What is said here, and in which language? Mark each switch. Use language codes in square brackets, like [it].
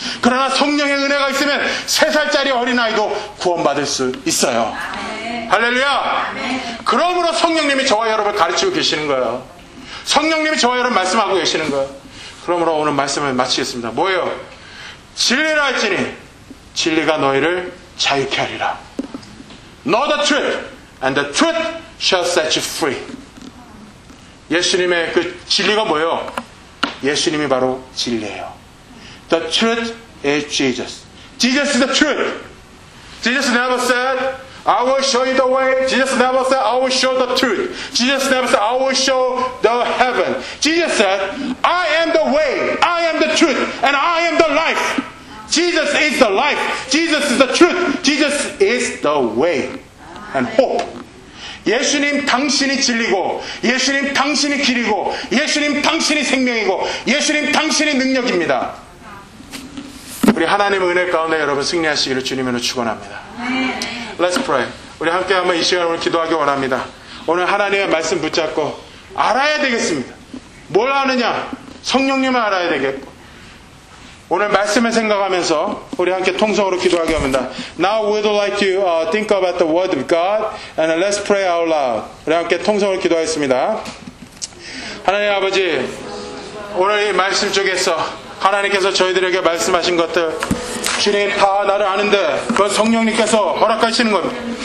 [ko] 그러나 성령의 은혜가 있으면 3살짜리 어린아이도 구원받을 수 있어요. 아멘. 할렐루야. 아멘. 그러므로 성령님이 저와 여러분을 가르치고 계시는 거예요. 성령님이 저와 여러분 말씀하고 계시는 거예요. 그러므로 오늘 말씀을 마치겠습니다. 뭐예요? 진리라 할지니 진리가 너희를 자유케 하리라. [en] Know the truth and the truth shall set you free. [ko] 예수님의 그 진리가 뭐예요? 예수님이 바로 진리예요. [en] The truth is Jesus. Jesus is the truth. Jesus never said, I will show you the way. Jesus never said, I will show the truth. Jesus never said, I will show the heaven. Jesus said, I am the way. I am the truth. And I am the life. Jesus is the life. Jesus is the truth. Jesus is the way. And hope. [ko] 예수님 당신이 진리고 예수님 당신이 길이고 예수님 당신이 생명이고 예수님 당신이 능력입니다. 우리 하나님의 은혜 가운데 여러분 승리하시기를 주님으로 축원합니다. [en] Let's pray. [ko] 우리 함께 한번 이 시간을 기도하기 원합니다. 오늘 하나님의 말씀 붙잡고 알아야 되겠습니다. 뭘 아느냐? 성령님을 알아야 되겠고 오늘 말씀을 생각하면서 우리 함께 통성으로 기도하게 합니다. [en] Now we'd like to think about the word of God and let's pray out loud. [ko] 우리 함께 통성으로 기도하겠습니다. 하나님 아버지 오늘 이 말씀 쪽에서 하나님께서 저희들에게 말씀하신 것들 주님 다 나를 아는데 그건 성령님께서 허락하시는 겁니다.